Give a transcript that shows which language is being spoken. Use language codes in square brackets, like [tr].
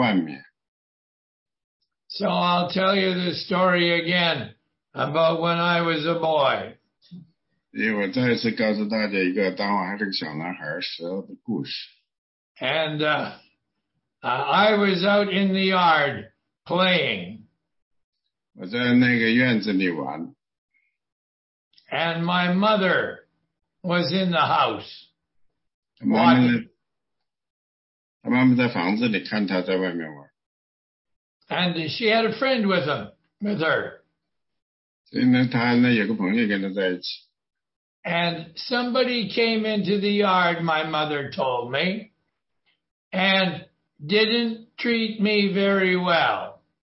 [zh] 就是因为他经过试验以后，必得着生命的冠冕。 [en] So I'll tell you the story again about when I was a boy. [zh] 所以我再一次告诉大家一个当我还是个小男孩时候的故事。 [en] And I was out in the yard playing. [zh] 我在那个院子里玩。 [en] And my mother was in the house. [zh] 他妈妈在房子里看他在外面玩。 [en] And she had a friend with her. [zh] 所以呢，他呢有个朋友跟他在一起。 [en] And somebody came into the yard, my mother told me, and didn't treat me very well.